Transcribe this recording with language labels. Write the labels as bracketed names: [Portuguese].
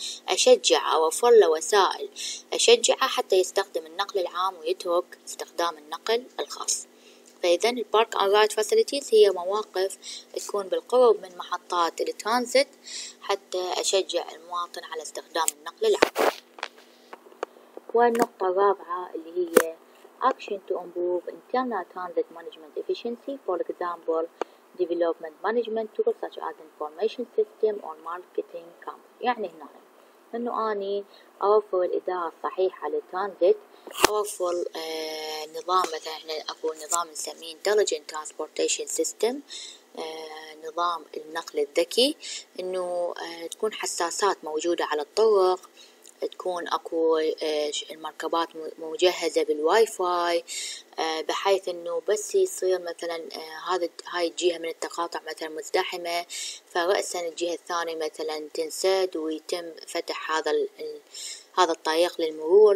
[Arabic] أشجع أوفر له وسائل أشجعه حتى يستخدم النقل العام ويترك استخدام النقل الخاص. فإذن البارك أند رايد فاسيليتيز هي مواقف تكون بالقرب من محطات الترانزيت حتى أشجع المواطن على استخدام النقل العام. والنقطة الرابعة اللي هي [English] action to improve internal transit management efficiency, for example development management tools such as information system or marketing camp. [Arabic] يعني هنا إنه أني أوفر الإدارة الصحيحة للترانزيت، أوفر نظام، مثلا إحنا أكو نظام نسميه [English] intelligent transportation system، [Arabic] نظام النقل الذكي، إنه تكون حساسات موجودة على الطرق، تكون أكو المركبات مجهزة بالواي فاي، بحيث إنه بس يصير مثلا هاي الجهة من التقاطع مثلا مزدحمة، فرأسا الجهة الثانية مثلا تنسد ويتم فتح هذا الطريق للمرور.